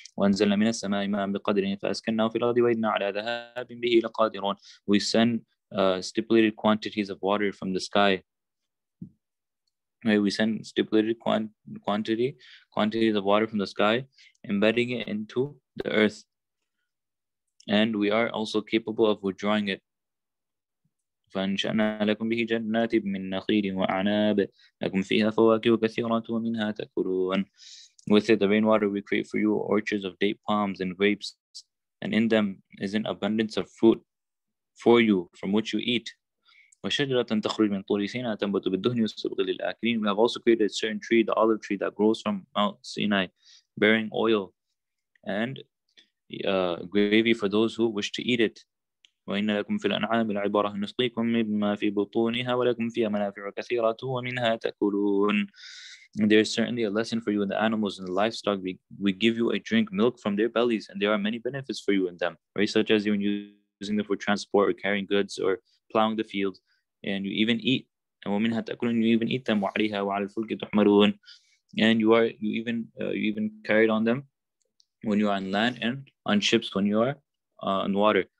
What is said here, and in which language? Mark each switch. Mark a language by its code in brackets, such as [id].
[ar] وَأَنْزَلْنَا مِنَ السَّمَاءِ مَاءً بِقَدْرٍ فَأَسْكَنَّاهُ فِي الْأَرْضِ وَإِنَّا عَلَى ذَهَابٍ بِهِ لَقَادِرُونَ, [en] we send stipulated quantities of water from the sky. Right, we send stipulated quantities of water from the sky, embedding it into the earth. And we are also capable of withdrawing it. [ar] فأنشأنا لكم به جنات من نخيل وأعناب لكم فيها فواكه كثيرة ومنها تأكلون. [en] With it, the rainwater we create for you orchards of date palms and grapes, and in them is an abundance of fruit for you from which you eat. [ar] وشجرة تخرج من طور سيناء تنبت بالدهن وصبغ للآكلين. [en] We have also created a certain tree, the olive tree that grows from Mount Sinai, bearing oil and gravy for those who wish to eat it. [ar] وإن لكم في الأنعام العبارة نسقيكم مما في بطونها ولكم فيها منافع كثيرة ومنها تأكلون. [en] There is certainly a lesson for you in the animals and the livestock. We give you a drink, milk from their bellies, and there are many benefits for you in them, right? Such as when using them for transport or carrying goods or plowing the fields, and you even eat. And [ar] ومنها تأكلون, [en] you even eat them. [ar] وعليها وعلى الفلك تحملون, [en] and you even carried on them when you are on land and on ships when you are on water.